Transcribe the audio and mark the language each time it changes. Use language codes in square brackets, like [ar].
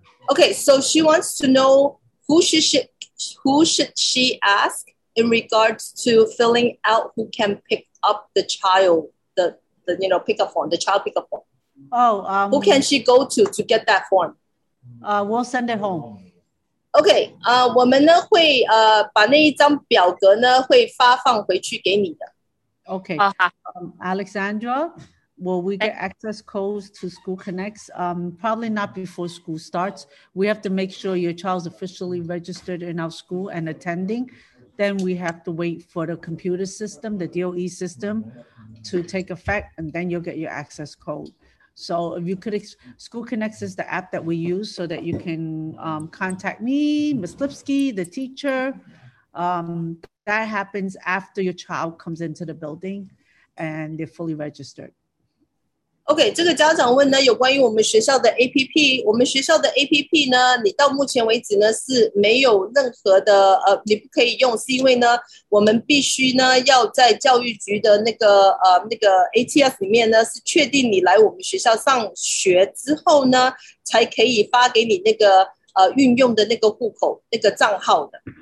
[en] Okay, so she wants to know who should. Who should she ask in regards to filling out who can pick up the child, the you know, pick up form, the child pick up form? Oh, who can she go to get that form? We'll send it home. [zh] Okay, 我们呢会把那一张表格呢会发放回去给你的。 [en] Okay, Alexandra, will we get access codes to School Connects? Probably not before school starts. We have to make sure your child's officially registered in our school and attending. Then we have to wait for the computer system, the DOE system, to take effect, and then you'll get your access code. So if you could, School Connects is the app that we use so that you can contact me, Ms. Lipsky, the teacher. That happens after your child comes into the building and they're fully registered. [zh] OK, 这个家长问呢有关于我们学校的 APP, 我们学校的 APP 呢你到目前为止呢是没有任何的你不可以用，是因为呢我们必须呢要在教育局的那个 ATS 里面呢是确定你来我们学校上学之后呢才可以发给你那个运用的那个户口那个账号的。